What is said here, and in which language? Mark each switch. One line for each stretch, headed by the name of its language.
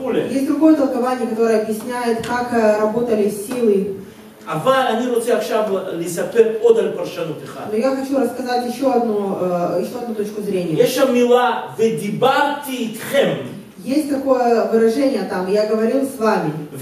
Russian: Есть другое толкование, которое объясняет, как работали силы.
Hebrew: אבל אני רוצה עכשיו לספר עוד על פרשנות אחת.
Russian: Но я хочу рассказать еще одну точку зрения.
Hebrew: יש שם מילה ודיברתי איתכם.
Russian: Есть такое выражение там, я говорил с вами.